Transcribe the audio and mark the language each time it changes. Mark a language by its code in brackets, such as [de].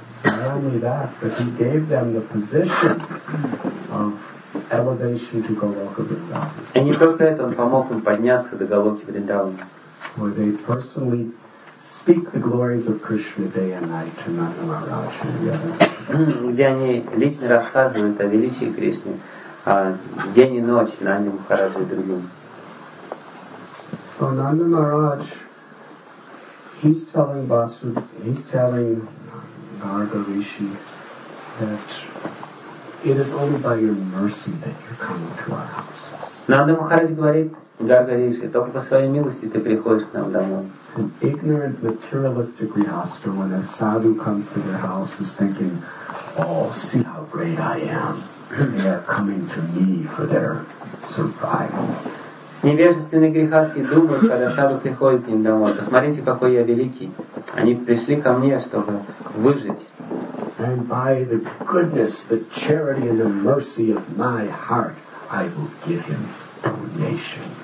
[en] Not only that, but he gave them the position of elevation to Goloka Vrindavan. [ru] И не только это, он помог им подняться до Голоки Вриндавана. [en] Where they personally speak the glories of Krishna day and night to Nanda Maharaj. [ru] Где они лично рассказывают о величии Кришны день и ночь Нанда Махараджа и другим. [en] So Nanda Maharaj, He's telling Vasudeva, he's telling Narada Rishi that it is only by your mercy that you're coming to our house. [ru] Нанда Махарадж говорит, Гарга Риши, только по своей милости ты приходишь к нам домой. [en] An ignorant materialistic grihastha, when a sadhu comes to their house, is thinking, oh, see how great I am. They are coming to me for their survival. [ru] Невежественные грехасты думают, когда сяду приходит к ним домой. Посмотрите, какой я великий. Они пришли ко мне, чтобы выжить.